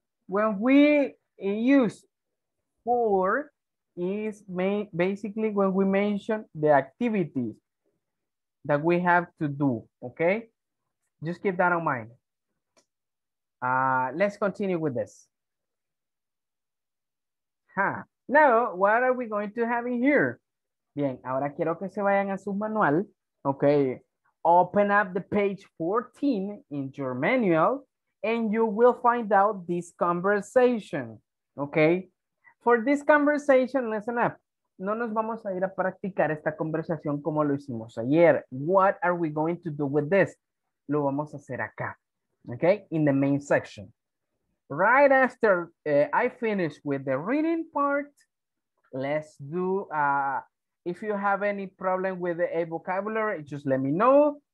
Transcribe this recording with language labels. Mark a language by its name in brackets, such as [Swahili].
[English] When we use for, is basically when we mention the activities that we have to do, okay? Just keep that in mind. Let's continue with this. Huh. Now, what are we going to have in here? [Spanish] Bien, ahora quiero que se vayan a su manual, okay? [English] Open up the page 14 in your manual, and you will find out this conversation, okay? For this conversation, listen up. [Spanish] No nos vamos a ir a practicar esta conversación como lo hicimos ayer. [English] What are we going to do with this? [Spanish] Lo vamos a hacer acá, [English] okay? In the main section. Right after I finish with the reading part, let's do, if you have any problem with a vocabulary, just let me know.